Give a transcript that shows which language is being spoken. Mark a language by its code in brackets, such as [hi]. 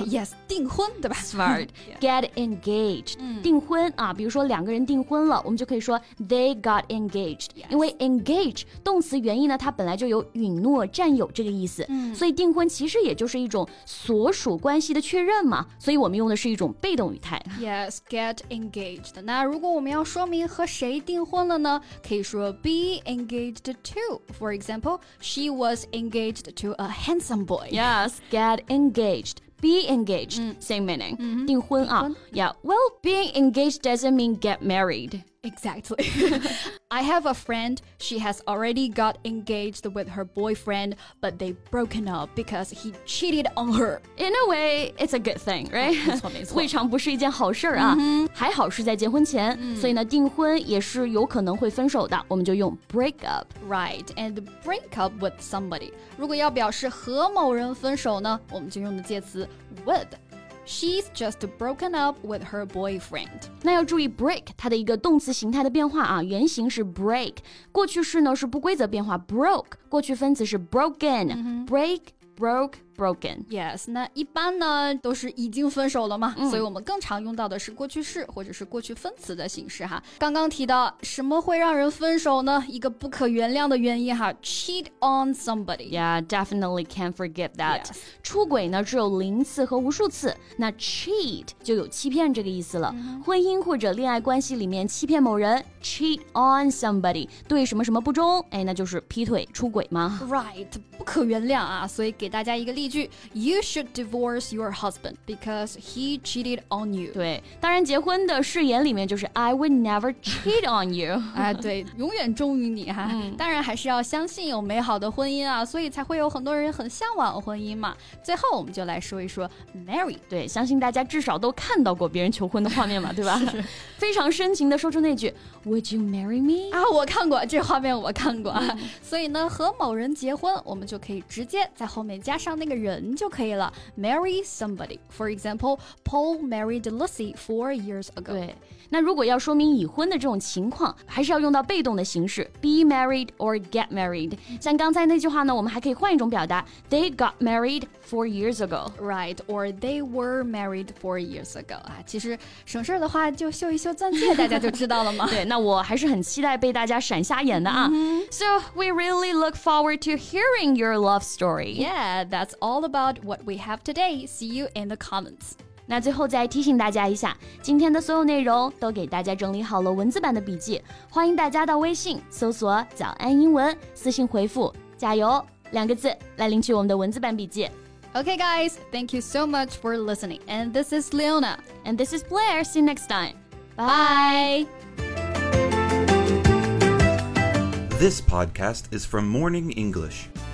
[zh] Yes, 订婚对吧 [en] Smart, get engaged、嗯、 [zh] 订婚啊比如说两个人订婚了我们就可以说 [en] They got engaged、 yes. [zh] 因为 engage 动词原意呢它本来就有允诺占有这个意思、嗯、所以订婚其实也就是一种所属关系的确认嘛所以我们用的是一种被动语态 Yes, get engaged 那如果我们要说明和谁订婚了呢可以说 be engaged to [en] For example, she was engaged to a handsome boy Yes, get engagedBe engaged,、 mm. same meaning,、 mm-hmm. [zh] 订婚啊。 [en] Yeah, well, being engaged doesn't mean get married. Exactly. I have a friend, she has already got engaged with her boyfriend, but they broken up because he cheated on her. In a way, it's a good thing, right? [zh] 没错。未尝不是一件好事啊。 Mm-hmm. 还好是在结婚前、 mm. 所以呢订婚也是有可能会分手的我们就用 break up. [en] Right, and break up with somebody. [zh] 如果要表示和某人分手呢我们就用的介词with. [en] She's just broken up with her boyfriend. [zh] 那要注意 break 它的一个动词形态的变化啊，原型是 break， 过去式呢是不规则变化 broke， 过去分词是 broken，、 mm-hmm. [en] break。 Broke, broken. [zh] Yes, 那一般呢都是已经分手了嘛、嗯、所以我们更常用到的是过去式或者是过去分词的形式哈。刚刚提到什么会让人分手呢一个不可原谅的原因哈 [en] Cheat on somebody. Yeah, definitely can't forget that.、 Yes. [zh] 出轨呢只有零次和无数次那 cheat 就有欺骗这个意思了、嗯、婚姻或者恋爱关系里面欺骗某人 [en] Cheat on somebody. [zh] 对什么什么不忠、哎、那就是劈腿出轨吗 Right, 不可原谅啊所以给大家一个例句 [en] You should divorce your husband because he cheated on you [zh] 对当然结婚的誓言里面就是 [en] I would never cheat on you 、 [zh] 啊、对永远忠于你哈、嗯、当然还是要相信有美好的婚姻啊所以才会有很多人很向往婚姻嘛最后我们就来说一说 marry 对相信大家至少都看到过别人求婚的画面嘛对吧是非常深情的说出那句 [en] Would you marry me? [zh] 啊我看过这画面我看过、嗯、所以呢和某人结婚我们就可以直接在后面加上那个人就可以了 Marry somebody [en] For example Paul married Lucy 4 years ago [zh] 对那如果要说明已婚的这种情况还是要用到被动的形式 [en] Be married or get married [zh] 像刚才那句话呢我们还可以换一种表达 [en] They got married 4 years ago [zh] Right Or they were married 4 years ago、啊、其实省事的话就秀一秀钻戒大家就知道了吗对那我还是很期待被大家闪瞎眼的啊、 mm-hmm. [en] So we really look forward to hearing your love story Yeah That's all about what we have today. See you in the comments. [zh] 那最后再提醒大家一下，今天的所有内容都给大家整理好了文字版的笔记，欢迎大家到微信搜索“早安英文”，私信回复“加油”两个字来领取我们的文字版笔记。 [en] Okay, guys, thank you so much for listening. And this is Leona. And this is Blair. See you next time. Bye. This podcast is from Morning English.